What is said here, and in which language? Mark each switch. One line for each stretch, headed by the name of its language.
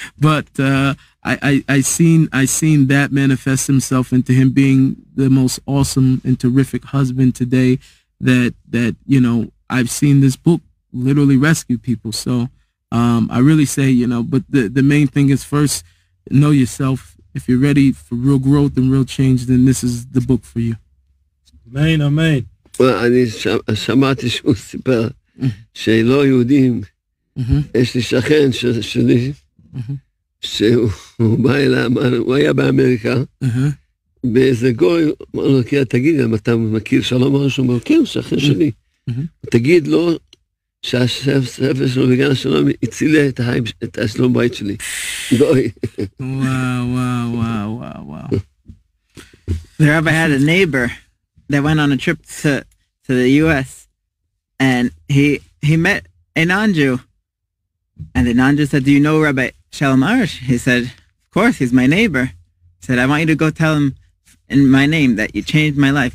English: But I seen that manifest himself into him being the most awesome and terrific husband today that, you know, I've seen this book literally rescue people. So I really say, you know, but the main thing is first, know yourself. If you're ready for real growth and real change, then this is the book for you. Amen, amen. Well, I heard that he told us that not Jews,
Hebrew: יש לי שכן שלי, שהוא בא אליי, הוא היה באמריקה, באיזה גוי, אמר לו, תגיד, אם אתה מכיר שלום הראש, הוא אומר, כן, שכן שלי. תגיד לו שהספר שלו בגן השלום הצילה את השלום בית שלי. גוי. וואו, וואו, וואו, וואו.
English: The rabbi had a neighbor that went on a trip to the U.S. and he met a non-Jew. And the non-Jew said, do you know Rabbi Shalom Arush? He said, of course, he's my neighbor. He said, I want you to go tell him in my name that you changed my life.